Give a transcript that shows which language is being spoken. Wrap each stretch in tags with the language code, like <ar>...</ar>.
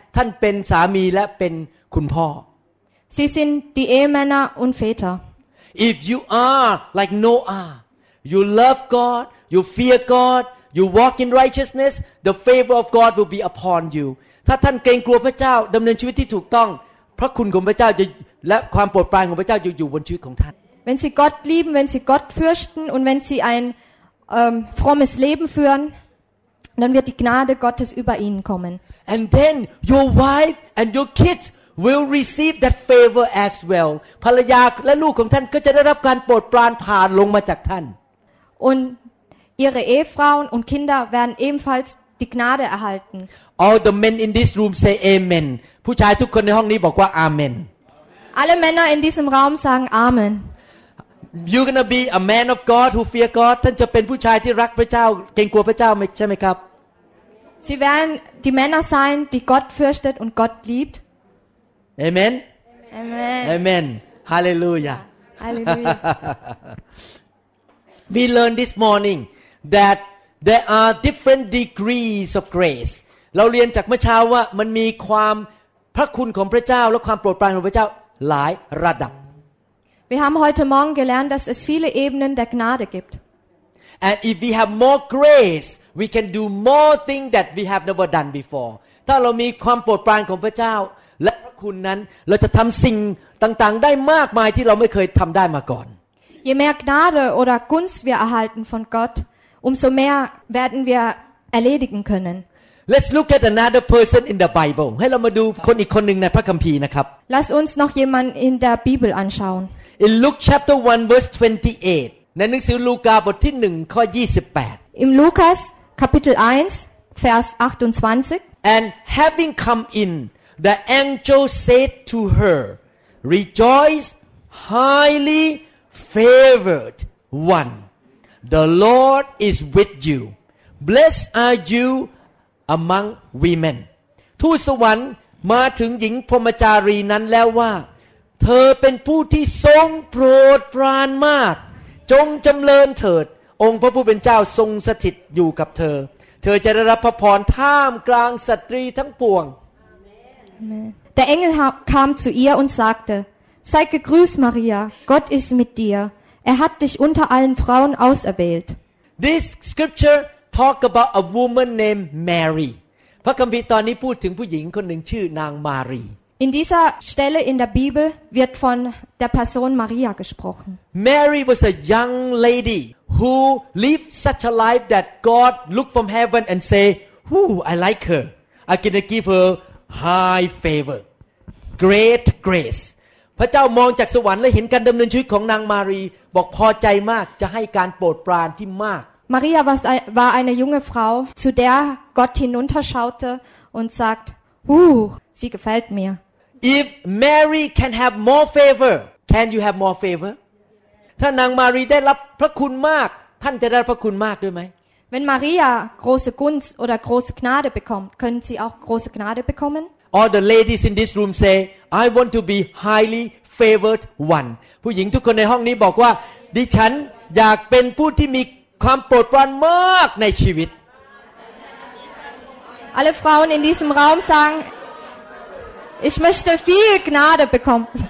<th>ท่านเป็นสามีและเป็นคุณพ่อ</th> <de>Sie sind die Ehemänner und Väter.</de> <en>If you are like Noah, you love God, you fear God, you walk in righteousness, the favor of God will be upon you.</en> <th>ถ้าท่านเกรงกลัวพระเจ้าดำเนินชีวิตที่ถูกต้องพระคุณของพระเจ้าจะและความโปรดปรานของพระเจ้าจะอยู่บนชีวิตของท่าน</th> <de>Wenn Sie Gott lieben, wenn Sie Gott fürchten und wenn Sie einfrommes Leben führen, dann wird die Gnade Gottes über ihnen kommen.</de> <en>And then your wife and your kids will receive that favor as well.</en> <th>ภรรยาและลูกของท่านก็จะได้รับการโปรดปรานผ่านลงมาจากท่าน</th> <de>Und ihre Ehefrauen und Kinder werden ebenfalls die Gnade erhalten.</de> <en>All the men in this room say Amen.</en> <th>ผู้ชายทุกคนในห้องนี้บอกว่า Amen.</th> <de>Alle Männer in diesem Raum sagen Amen.</de> <en>You're gonna be a man of God who fear God.</en> <th>ท่านจะเป็นผู้ชายที่รักพระเจ้าเกรงกลัวพระเจ้าใช่ไหมครับ</th> <de>Sie werden die Männer sein, die Gott fürchtet und Gott liebt.</de> <en>Amen. Amen. Amen. Hallelujah. Hallelujah. We learned this morning that there are different degrees of grace.</en> <th>เราเรียนจากเมื่อเช้าว่ามันมีความพระคุณของพระเจ้าและความโปรดปรานของพระเจ้าหลายระดับ</th> <de>Wir haben heute Morgen gelernt, dass es viele Ebenen der Gnade gibt.</de> <en>And if we have more grace, we can do more things that we have never done before.</en> <th>ถ้าเรามีความโปรดปรานของพระเจ้าและพระคุณนั้นเราจะทำสิ่งต่างๆได้มากมายที่เราไม่เคยทำได้มาก่อน</th> <de>Je mehr Gnade oder Gunst wir erhalten von Gott, umso mehr werden wir erledigen können.</de> <en>Let's look at another person in the Bible.</en> <th>ให้เรามาดูคนอีกคนนึงในพระคัมภีร์นะครับ</th> <de>Lass uns noch jemand in der Bibel anschauen.</de> <en>In Luke chapter 1 verse 28.</en> <th>ในหนังสือลูกาบทที่1ข้อ28.</th> <de>Im Lukas Kapitel 1 Vers 28.</de> <en>And having come in, the angel said to her, "Rejoice, highly favored one. The Lord is with you. Blessed are youAmong women.</en> <th>ทูตสวรรค์มาถึงหญิงพรหมจารีนั้นแล้วว่าเธอเป็นผู้ที่ทรงโปรดปรานมากจงจำเริญเถิดองค์พระผู้เป็นเจ้าทรงสถิตอยู่กับเธอเธอจะได้รับพระพรท่ามกลางสตรีทั้งปวง</th> <de>Der Engel kam zu ihr und sagte Sei gegrüßt Maria Gott ist mit dir Er hat dich unter allen Frauen auserwählt</de> <en>This scriptureTalk about a woman named Mary.</en> <th>พระคัมภีร์ตอนนี้พูดถึงผู้หญิงคนหนึ่งชื่อนางมารี</th> <de>In dieser Stelle in der Bibel wird von der Person Maria gesprochen.</de> <en>Mary was a young lady who lived such a life that God looked from heaven and say, "Whoo, I like her. I'm going to give her high favor, great grace."</en> <th>พระเจ้ามองจากสวรรค์และเห็นการดำเนินชีวิตของนางมารีบอกพอใจมากจะให้การโปรดปรานที่มาก</th> <de>Maria war eine junge Frau, zu der Gott hinunterschaute und sagt, sie gefällt mir.</de> <en>If Mary can have more favor, can you have more favor?</en> <th>ถ้านางมารีได้รับพระคุณมากท่านจะได้พระคุณมากด้วยไหม</th> <de>Wenn Maria große Gunst oder große Gnade bekommt, können sie auch große Gnade bekommen?</de> <en>All the ladies in this room say, I want to be highly favored one.</en> <th>ผู้หญิงทุกคนในห้องนี้บอกว่าดิฉันอยากเป็นผู้ที่มีความโปรดปรานมากในชีวิต</th> <de>Alle Frauen in diesem Raum sagen Ich möchte viel Gnade bekommen</de>